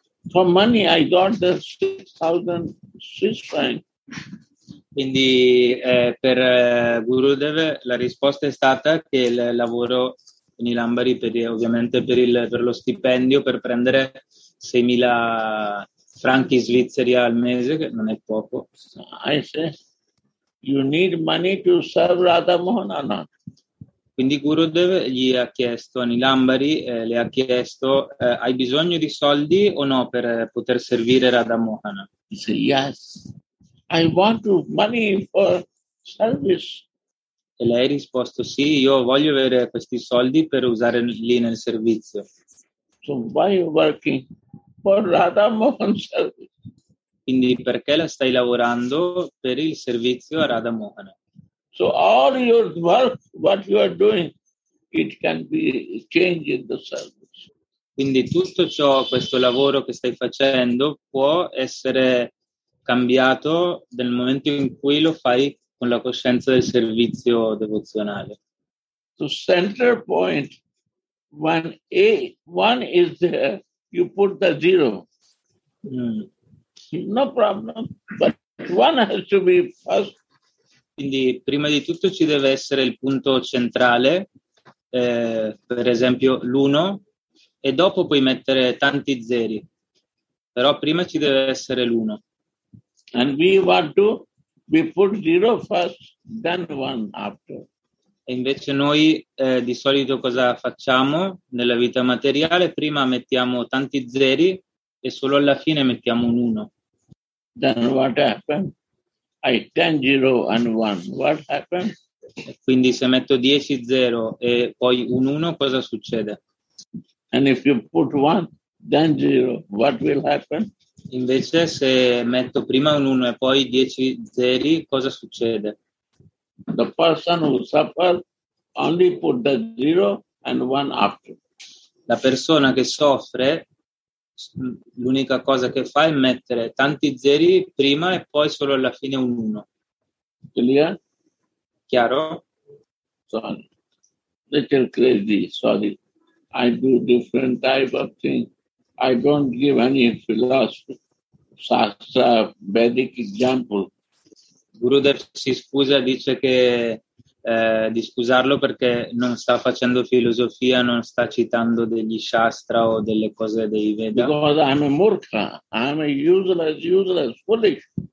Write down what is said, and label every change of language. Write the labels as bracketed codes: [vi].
[en] For money I got the 6,000 Swiss francs. [it] Quindi per Gurudev la risposta è stata che il lavoro in Ilambari per lo stipendio per prendere 6,000 franchi svizzeri al mese, che non è poco. [en] I say, you need money to serve Radha Mohan or not? [it] Quindi Gurudev gli ha chiesto, Nilambari le ha chiesto, hai bisogno di soldi o no per poter servire Radha Mohan? [en] He said, yes, I want money for service. [it] E lei ha risposto, sì, io voglio avere questi soldi per usare lì nel servizio. [en] So why you working? For Radha Mohan service. [it] Quindi perché la stai lavorando per il servizio a Radha Mohan? [en] So all your work, what you are doing, it can be changed in the service. [it] Quindi tutto ciò, questo lavoro che stai facendo, può essere cambiato nel momento in cui lo fai con la coscienza del servizio devozionale. [en] So center point, when A, one is there, you put the zero. Mm. No problem. But one has to be first. [it] Quindi prima di tutto ci deve essere il punto centrale, per esempio l'uno, e dopo puoi mettere tanti zeri. Però prima ci deve essere l'uno. [en] And we want to we put zero first, then one after. [it] E invece noi di solito cosa facciamo nella vita materiale? Prima mettiamo tanti zeri e solo alla fine mettiamo un uno. [en] Then what happened? I 10 zero and one. What happened? [it] E quindi se metto 10 zero e poi un uno, cosa succede? [en] And if you put one, then zero, what will happen? [it] Invece se metto prima un uno e poi 10 zeri, cosa succede? [en] The person who suffers only put the zero and one after. [it] La persona che soffre, l'unica cosa che fa è mettere tanti zeri prima e poi solo alla fine un uno. [en] Clear? [it] Chiaro? [en] Sorry. Little crazy, sorry. I do different type of thing. I don't give any philosophy, sastra, Vedic example. [it] Gurudev si scusa, dice che di scusarlo perché non sta facendo filosofia, non sta citando degli shastra o delle cose dei Veda. [en] Because I'm a murkha, I'm a useless, foolish.